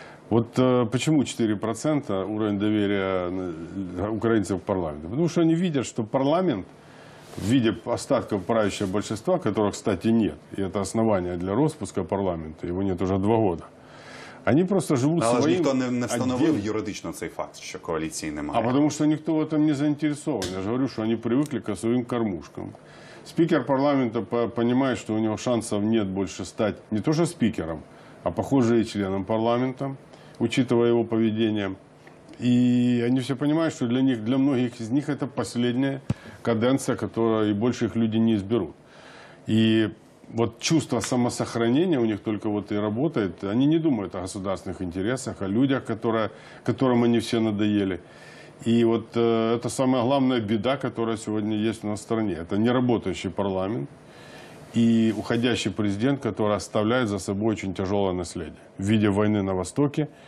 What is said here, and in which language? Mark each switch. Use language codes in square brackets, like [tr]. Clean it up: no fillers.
[ru] Вот почему 4% уровень доверия украинцев в парламенте? Потому что они видят, что парламент в виде остатков правящего большинства, которых, кстати, нет, и это основание для распуска парламента, его нет уже 2 года, они просто живут своим. [uk] Але ж ніхто не встановив юридично цей факт, що коаліції немає. А тому що ніхто в цьому не заінтересований. Я ж говорю, що вони звикли до своїм кормушкам. Спікер парламенту розуміє, що у нього шансів немає більше стати не то що спікером, а схоже і членом парламенту, учитывая його поведення. І вони всі розуміють, що для них, для многих з них це остання каденція, яку і більше їх люди не зберуть. [ru] І вот чувство самосохранения у них только вот и работает. Они не думают о государственных интересах, о людях, которым они все надоели. И вот это самая главная беда, которая сегодня есть у нас в стране. Это неработающий парламент и уходящий президент, который оставляет за собой очень тяжелое наследие в виде войны на Востоке